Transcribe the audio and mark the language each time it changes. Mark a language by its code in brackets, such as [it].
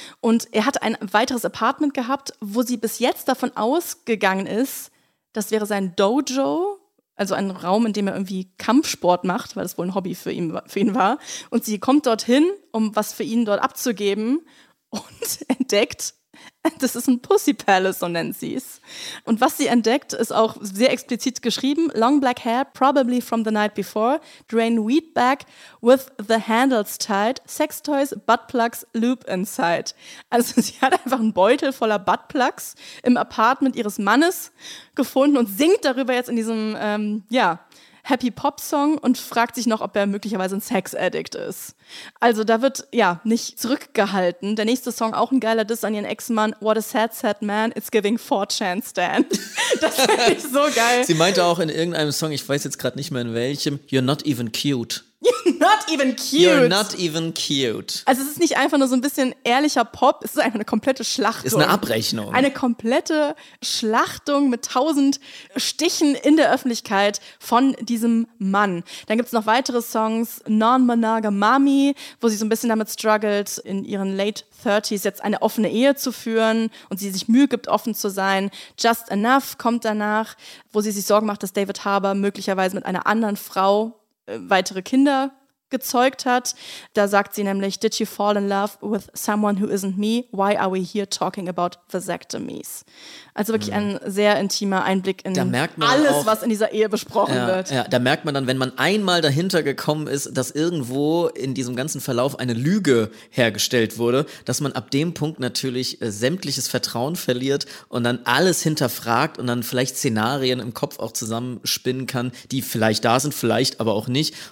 [de] Und er hat ein weiteres Apartment gehabt, wo sie bis jetzt davon ausgegangen ist, das wäre sein Dojo. Also ein Raum, in dem er irgendwie Kampfsport macht, weil das wohl ein Hobby für ihn war. Und sie kommt dorthin, um was für ihn dort abzugeben und entdeckt, das ist ein Pussy Palace, so nennt sie es. Und was sie entdeckt, ist auch sehr explizit geschrieben. [en] Long black hair, probably from the night before. Drain weed back with the handles tied. Sex toys, butt plugs, lube inside. [de] Also sie hat einfach einen Beutel voller Butt plugs im Apartment ihres Mannes gefunden und singt darüber jetzt in diesem Happy Pop Song und fragt sich noch, ob er möglicherweise ein Sex-Addict ist. Also da wird ja nicht zurückgehalten. Der nächste Song, auch ein geiler Diss an ihren Ex-Mann. [en] What a sad, sad man. It's giving 4chan Stan. [de] Das finde ich so geil. Sie meinte auch in irgendeinem Song, ich weiß jetzt gerade nicht mehr in welchem, [en] you're not even cute. You're not even cute. You're not even cute. [de] Also es ist nicht einfach nur so ein bisschen ehrlicher Pop, es ist einfach eine komplette Schlachtung. Ist eine Abrechnung. Eine komplette Schlachtung mit 1000 Stichen in der Öffentlichkeit von diesem Mann. Dann gibt es noch weitere Songs, Non-Monogamy, wo sie so ein bisschen damit struggelt, in ihren Late 30s jetzt eine offene Ehe zu führen und sie sich Mühe gibt, offen zu sein. Just Enough kommt danach, wo sie sich Sorgen macht, dass David Harbour möglicherweise mit einer anderen Frau weitere Kinder gezeugt hat. [en] Da sagt sie nämlich, did you fall in love with someone who isn't me? Why are we here talking about vasectomies? [de] Also wirklich ein sehr intimer Einblick in alles, auch, was in dieser Ehe besprochen wird. Ja, da merkt man dann, wenn man einmal dahinter gekommen ist, dass irgendwo in diesem ganzen Verlauf eine Lüge hergestellt wurde, dass man ab dem Punkt natürlich sämtliches Vertrauen verliert und dann alles hinterfragt und dann vielleicht Szenarien im Kopf auch zusammenspinnen kann, die vielleicht da sind, vielleicht aber auch nicht.